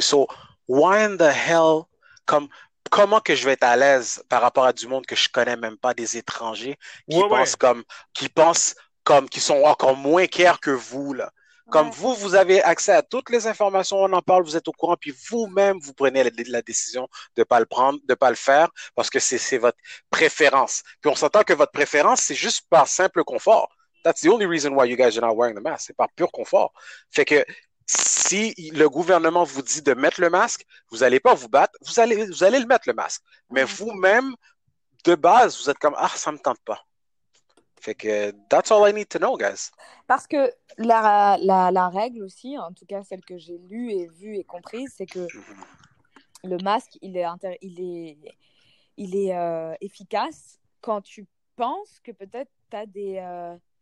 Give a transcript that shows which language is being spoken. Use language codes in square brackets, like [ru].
[en] So, why in the hell, [fr] comment que je vais être à l'aise par rapport à du monde que je connais même pas, des étrangers qui pensent comme qui sont encore moins care que vous là. Comme vous avez accès à toutes les informations, on en parle, vous êtes au courant, puis vous-même vous prenez la décision de pas le prendre, de pas le faire parce que c'est votre préférence. Puis on s'entend que votre préférence c'est juste par simple confort. [en] That's the only reason why you guys are not wearing the mask. [fr] C'est par pur confort. Fait que si le gouvernement vous dit de mettre le masque, vous n'allez pas vous battre, vous allez le mettre le masque. Mais vous-même, de base, vous êtes comme « Ah, ça ne me tente pas ». Fait que [en] « That's all I need to know, guys ». [fr] Parce que la règle aussi, en tout cas celle que j'ai lue et vue et comprise, c'est que le masque, il est efficace quand tu penses que peut-être tu as des...